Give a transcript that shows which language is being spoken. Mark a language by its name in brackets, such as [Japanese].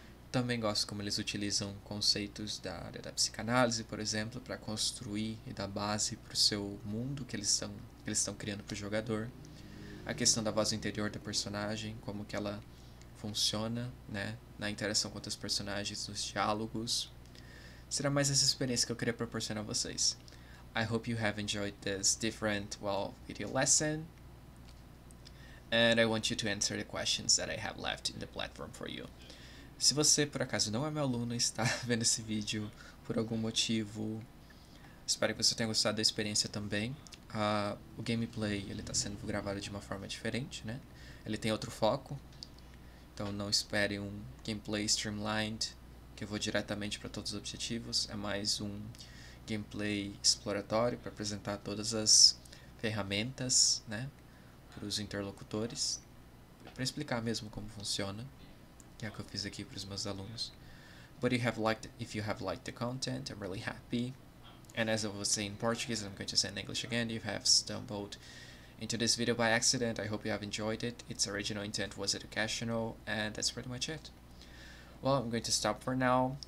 [Portuguese] Também gosto como eles utilizam conceitos da área da psicanálise, por exemplo, para construir e dar base para o seu mundo que eles estão criando para o jogador. A questão da voz interior da personagem, como que ela funciona, né, na interação com outros personagens, nos diálogos. Será mais essa experiência que eu queria proporcionar a vocês. [English] I hope you have enjoyed this different, well, video lesson. And I want you to answer the questions that I have left in the platform for you. [Portuguese] Se você, por acaso, não é meu aluno e está vendo esse vídeo por algum motivo, espero que você tenha gostado da experiência também. O gameplay está sendo gravado de uma forma diferente, né? Ele tem outro foco, então não espere um gameplay streamlined, que eu vou diretamente para todos os objetivos. É mais um gameplay exploratório para apresentar todas as ferramentas, né, para os interlocutores, para explicar mesmo como funciona. Que é o que eu fiz aqui para os meus alunos. [English] But if you have liked the content, I'm really happy. And as I was saying in Portuguese, I'm going to say in English again. You have stumbled into this video by accident. I hope you have enjoyed it. Its original intent was educational. And that's pretty much it. Well, I'm going to stop for now.